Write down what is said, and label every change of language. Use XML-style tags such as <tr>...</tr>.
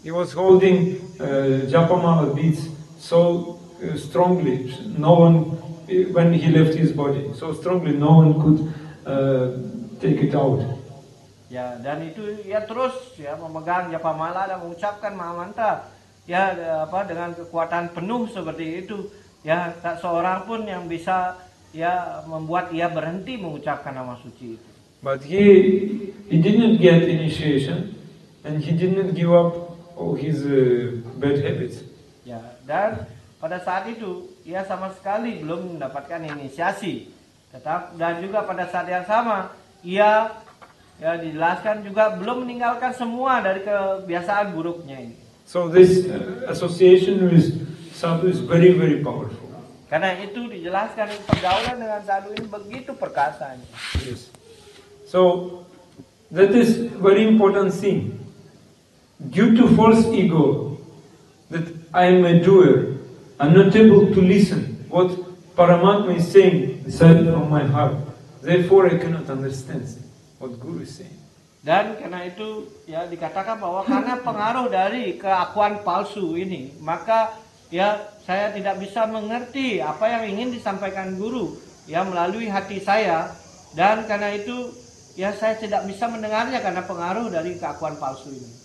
<en>He was holding japa mala beads so strongly, no one, when he left his body, so strongly no one could take it out.</en> <id>Dan itu ia terus memegang japa mala dan mengucapkan maha mantra dengan kekuatan penuh seperti itu. Tak seorang pun yang bisa membuat ia berhenti mengucapkan nama suci itu.</id> <en>But he didn't get initiation and he didn't give up all his bad habits.</en> <id>Dan pada saat itu ia sama sekali belum mendapatkan inisiasi. Tetap dan juga pada saat yang sama ia dijelaskan juga belum meninggalkan semua dari kebiasaan buruknya ini.</id> <en>So this association with sadhu is very very powerful.</en> <id>Karena itu dijelaskan pergaulan dengan sadhu ini begitu perkasanya.</id> <en>Yes. So that is very important thing. Due to false ego, that I am a doer, I'm not able to listen what Paramatma is saying inside of my heart. Therefore, I cannot understand what Guru is saying.</en> <id>Dan karena itu dikatakan bahwa karena pengaruh dari keakuan palsu ini, maka saya tidak bisa mengerti apa yang ingin disampaikan Guru melalui hati saya, dan karena itu saya tidak bisa mendengarnya karena pengaruh dari keakuan palsu ini.</id>